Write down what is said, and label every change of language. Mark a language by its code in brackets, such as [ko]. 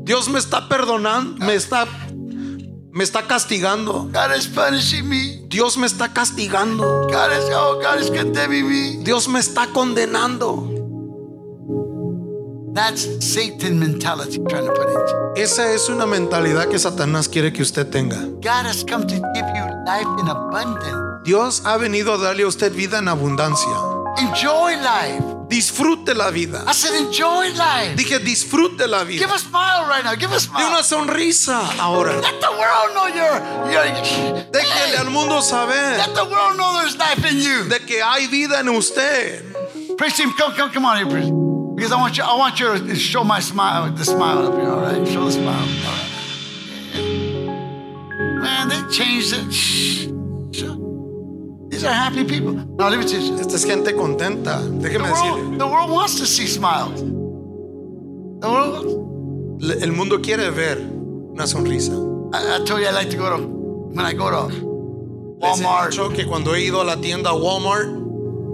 [es] Dios me está perdonando, me está castigando. [en] God is punishing me. [es] Dios me está castigando. [en] God is condemning me. [es] Dios me está condenando. [en] That's Satan mentality trying to put into. [es] Esa es una mentalidad que Satanás quiere que usted tenga. [en] God has come to give you life in abundance. [es] Dios ha venido a darle a usted vida en abundancia. [en] Enjoy life. [es] Disfrute la vida. [en] I said enjoy life. [es] Dije disfrute la vida. [en] Give a smile right now. Give a smile. [es] De una sonrisa ahora. [en] Let the world know you're [es] Déjele al mundo saber. [en] Let the world know there's life in you. [es] De que hay vida en usted. [en] Praise him. Come on here, praise. Because I want you to show my smile, the smile up here, all right? Show the smile. All right. Man, they changed it. These are happy people. Now, let me teach you. [es] Esta es gente contenta. Déjeme decirle. [en] The world wants to see smiles. The world wants. [es] El mundo quiere ver una sonrisa. [en] I told you I like to go to, when I go to Walmart. [es] Les he dicho que cuando he ido a la tienda Walmart.